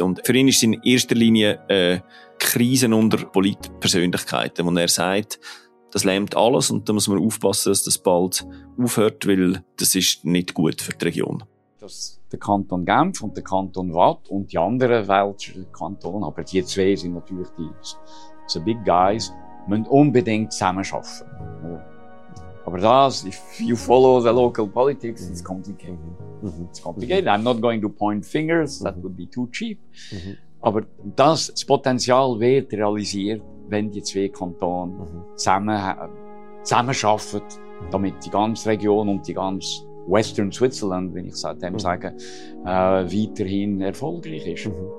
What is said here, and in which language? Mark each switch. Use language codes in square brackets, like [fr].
[de] Und für ihn ist es in erster Linie Krisen unter Politpersönlichkeiten, wo er sagt, das lähmt alles und da muss man aufpassen, dass das bald aufhört, weil das ist nicht gut für die Region. Dass der Kanton Genf und der Kanton Waadt und die anderen Welschen Kantone, aber die zwei sind natürlich die Big Guys, müssen unbedingt zusammenarbeiten. Aber das, [en] if you follow the local politics, it's complicated. It's complicated. I'm not going to point fingers, that would be too cheap. [de] Aber das Potenzial wird realisiert, wenn die zwei Kantone zusammenarbeiten, damit die ganze Region und die ganze Western Switzerland, wenn ich es dem sage, weiterhin erfolgreich ist.